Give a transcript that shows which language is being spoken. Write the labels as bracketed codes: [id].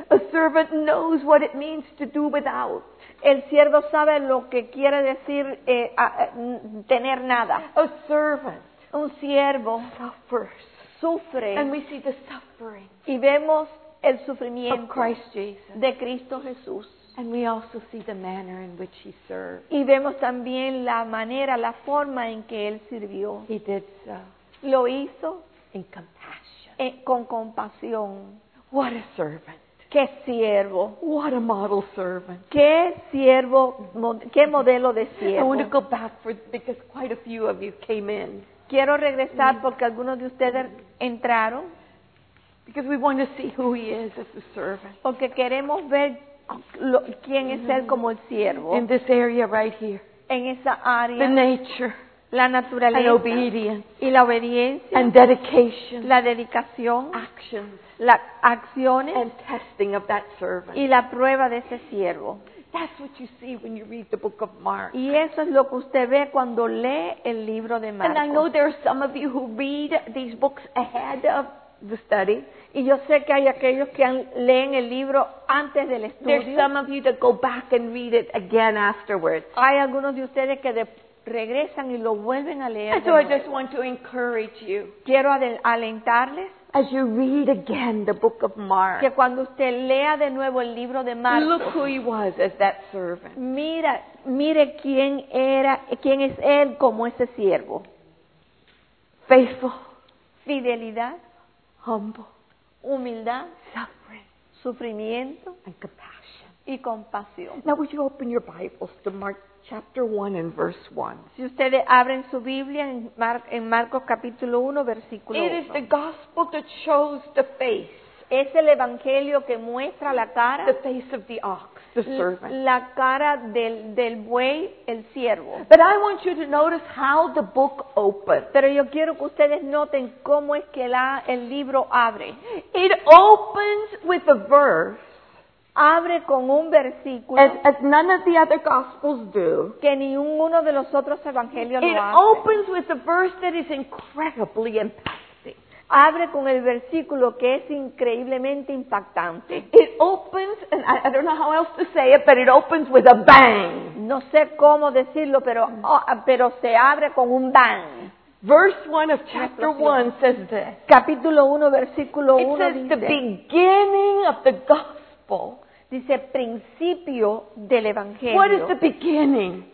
[en] A servant knows what it means to do without. [es] El siervo sabe lo que quiere decir tener nada. [en] A servant. [es] Un siervo [en] suffers. [es] Sufre. [en] And we see the suffering. [es] Y vemos el sufrimiento [en] of Christ Jesus. [es] De Cristo Jesús. [en] And we also see the manner in which he served. [es] Y vemos también la manera, la forma en que él sirvió. [en] He did so. [es] Lo hizo. [en] In compassion. [es] Con compasión. [en] What a servant. [es] Qué siervo. [en] What a model servant. [es] Qué siervo, qué modelo de siervo. [en] I want to go back because quite a few of you came in. [es] Quiero regresar porque algunos de ustedes entraron. [en] Because we want to see who he is as a servant. [es] Porque queremos ver quién es él como el siervo. [en] In this area right here. [es] En esa área. [en] The nature. [es] la naturaleza, [en] and obedience, [es] y la obediencia, [en] and dedication, [es] la dedicación, [en] actions, [es] las acciones, [en] and testing of that servant, [es] y la prueba de ese siervo. [en] That's what you see when you read the book of Mark. [es] Y eso es lo que usted ve cuando lee el libro de Marcos. [en] And I know there are some of you who read these books ahead of the study. [es] Y yo sé que hay aquellos que leen el libro antes del estudio. [en] There's some of you that go back and read it again afterwards. [es] Hay algunos de ustedes que regresan y lo vuelven a leer. [en] And so I just want to encourage you. [es] Quiero alentarles. [en] As you read again the book of Mark, [es] que cuando usted lea de nuevo el libro de Marcos, [en] look who he was as that servant. [es] Mire quién era, quién es él como ese siervo. [en] Faithful, [es] fidelidad, [en] humble, [es] humildad, [en] suffering, [es] sufrimiento, [en] and compassion, [es] y compasión. [en] Now, would you open your Bibles to Mark chapter 1 and verse 1. [es] Si ustedes abren su Biblia en Marcos capítulo 1 versículo 1. [en] It is the gospel that shows the face. [es] Es el evangelio que muestra la cara. [en] The face of the ox, the servant. [es] La cara del buey, el siervo. [en] But I want you to notice how the book opens. [es] Pero yo quiero que ustedes noten cómo es que el libro abre. [en] It opens with a verse. [es] Abre con un versículo [en] as none of the other gospels do, [es] que ninguno de los otros evangelios [en] it [es] lo hace. [en] Opens with a verse that is incredibly impacting. [es] Abre con el versículo que es increíblemente impactante. [en] It opens, and I don't know how else to say it, but it opens with a bang. [es] No sé cómo decirlo, pero se abre con un bang. [en] Verse 1 of chapter 1 says this. [es] Capítulo 1, versículo 1 dice, [en] the beginning of the gospel. [es] Dice principio del evangelio. [en] What is the beginning?